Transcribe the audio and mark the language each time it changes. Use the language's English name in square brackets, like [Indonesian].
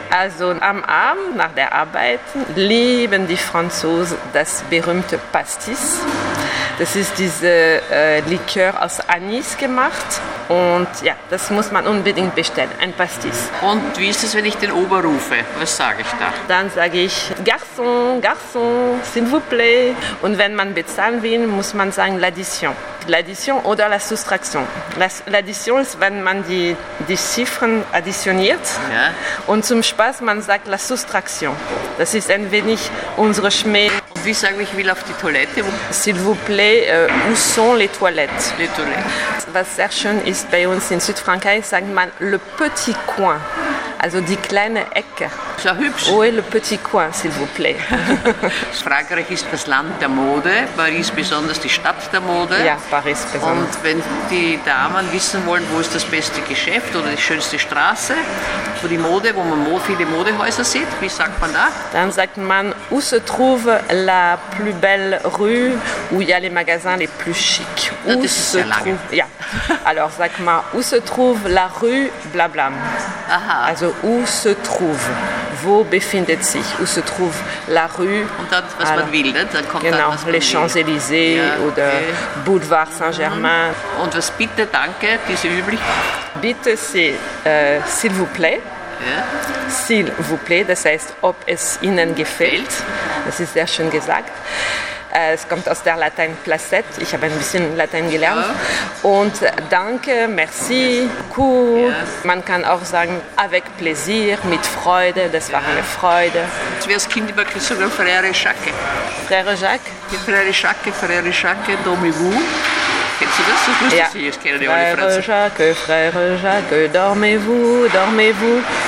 [German] Also am Abend nach der Arbeit lieben die Franzosen das berühmte Pastis. Das ist diese Likör aus Anis gemacht und ja, das muss man unbedingt bestellen, ein Pastis. Und wie ist es, wenn ich den Ober rufe? Was sage ich da? Dann sage ich, [French] Garçon, Garçon, s'il vous plaît. [German] Und wenn man bezahlen will, muss man sagen, [French] l'addition. L'addition [German] oder la Soustraktion. L'addition ist, wenn man die Ziffern additioniert. Ja. Und zum Spaß, man sagt la Soustraktion. Das ist ein wenig unsere Schmäh. Und wie sage ich, ich will auf die Toilette? [French] S'il vous plaît, où sont les toilettes? Les toilettes. [German] Was sehr schön ist bei uns in Südfrankreich, sagt man [French] le petit coin. [German] Also die kleine Ecke. Ist ja hübsch. [French] Où est le petit coin, s'il vous plaît? [German] Frankreich ist das Land der Mode, Paris besonders die Stadt der Mode. Ja, Paris besonders. Und wenn die Damen wissen wollen, wo ist das beste Geschäft oder die schönste Straße, wo die Mode, wo man viele Modehäuser sieht, wie sagt man da? Dann sagt man, [French] où se trouve la plus belle rue, où y a les magasins les plus chics. [German] Na, das ist sehr lange. Ja. [French] Alors, [German] sag mal, [French] où se trouve la rue blablabla. [German] Aha. Also, [French] où se trouve, [German] wo befindet sich, [French] où se trouve la rue. [German] Und dann, was alors, man will, ne? Dann kommt genau, dann, was man [French] les Champs-Élysées oder Boulevard Saint-Germain. [German] Und was bitte, danke, diese üblich? Bitte, [French] c'est, s'il vous plaît. [German] Ja. [French] S'il vous plaît, [German] das heißt, ob es Ihnen gefällt. Das ist sehr schön gesagt. Es kommt aus der Latein Placet. Ich habe ein bisschen Latein gelernt. Ja. Und danke, [French] merci, [German] cool. Ja. Man kann auch sagen, [French] avec plaisir, [German] mit Freude. Das war eine Freude. Jetzt wäre das Kind immer gesungen, Frère Jacques. [French] Frère Jacques? Frère Jacques, dormez-vous. [German] Kennst du das? Das müsste ich kennen, die alle Franzosen. [French] Frère Jacques, dormez-vous, dormez-vous.